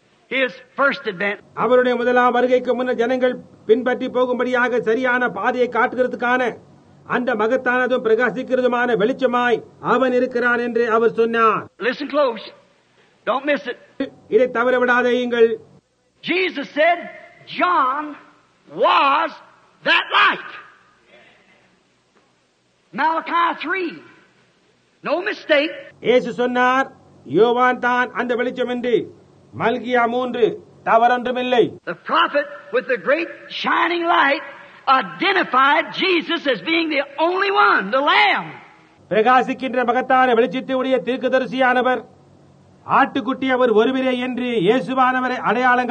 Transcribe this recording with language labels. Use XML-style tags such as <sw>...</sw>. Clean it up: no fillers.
<en>His first advent.</en> <ta>அவருடைய முதலாம் வருகைக்கு முன்ன ஜனங்கள் பின்பற்றி போகும்படியாக சரியான பாதையை காட்டுகிறதுக்கான அந்த மகத்தானதும் பிரகாசிக்கிறதுமான வெளிச்சமாய் அவன் இருக்கிறான் என்று அவர் சொன்னார்.</ta> <en>Listen close. Don't miss it.</en> <ta>இதை தவிர விடாதேயுங்கள்.</ta> <en>Jesus said John was that light. Malachi 3. No mistake.</en> <ta>இயேசு சொன்னார், யோவான் தான் அந்த வெளிச்சம் என்று. மல்கியா 3. தவறொன்றுமில்லை.</ta> <en>The prophet with the great shining light identified Jesus as being the only one, the Lamb.</en> <ta>பிரகாசிக்கின்ற மகத்தான வெளிச்சத்தினுடைய தீர்க்கதரிசியானவர் ஆட்டுக்குட்டி அவர் ஒருவரே என்று இயேசுவானவரை அடையாளம்</ta>